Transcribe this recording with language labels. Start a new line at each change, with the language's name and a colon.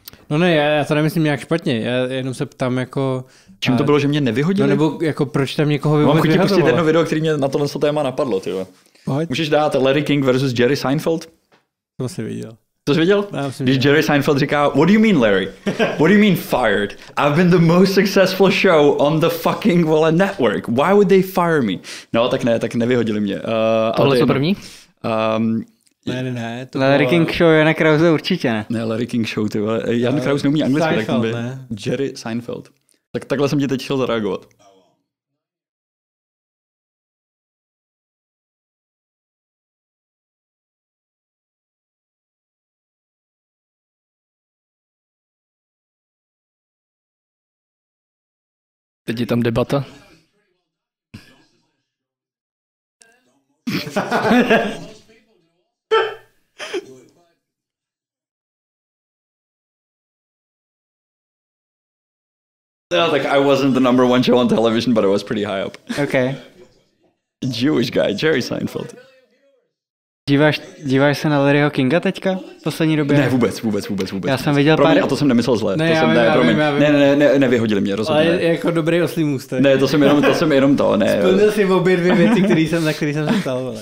Czech: No ne, já to nemyslím nějak špatně, já jenom se ptám jako... Čím to bylo, že mě nevyhodili? No nebo jako proč tam někoho vyhodilo? Mám chutě pustit jedno video, které mě na tohle téma napadlo, tyhle. Můžeš dát Larry King versus Jerry Seinfeld? To jsem viděl. To jsi viděl? Já myslím, když
English: Jerry Seinfeld
Czech: říká,
English: what do you mean Larry? What do you mean fired? I've been the most successful show on the fucking Wallet Network. Why would they fire me?
Czech: No tak ne, tak nevyhodili mě. Tohle jsou první? Ne, Larry bylo... King Show, Jana Krause určitě ne. Ne, Larry King Show, ty vole. Jan Krause neumí anglicky, tak ten by. Ne. Jerry Seinfeld. Tak takhle jsem ti teď chtěl zareagovat. Teď je tam debata.
English: No, like I wasn't the number one show on television, but I was pretty high up. Okay. Jewish guy, Jerry Seinfeld.
Czech: Díváš se na Larryho Kinga teďka v poslední době? Ne, vůbec. Já jsem viděl promiň, pár... a to jsem nemyslel zle. Ne, to jsem, vím, ne, promiň, vím, ne, ne, ne, ne, nevyhodili mě, rozhodně. Ale jako dobrý oslý můstek. Ne, to jsem jenom to, ne. Splnil si obě dvě věci, na který jsem se ptal.